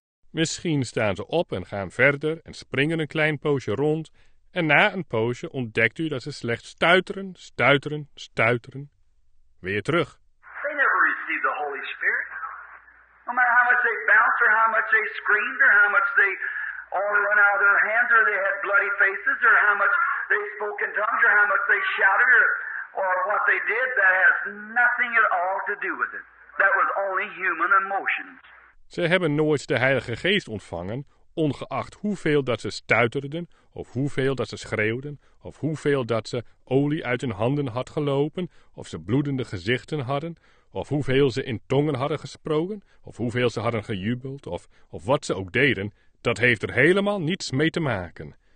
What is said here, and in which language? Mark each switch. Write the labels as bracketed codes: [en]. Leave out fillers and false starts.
[nl] Misschien staan ze op en gaan verder en springen een klein poosje rond. En na een poosje ontdekt u dat ze slechts stuiteren, stuiteren, stuiteren. Weer terug. [en] They never received the Holy Spirit. No matter how much they bounced or how much they screamed or how much they all run out of their hands or they had bloody faces or how much they spoke in tongues or how much they shouted or what they did, that has nothing at all to do with it. That was only human emotions. [nl] Ze hebben nooit de Heilige Geest ontvangen, ongeacht hoeveel dat ze stuiterden, of hoeveel dat ze schreeuwden, of hoeveel dat ze olie uit hun handen had gelopen, of ze bloedende gezichten hadden, of hoeveel ze in tongen hadden gesproken, of hoeveel ze hadden gejubeld, of wat ze ook deden, dat heeft er helemaal niets mee te maken.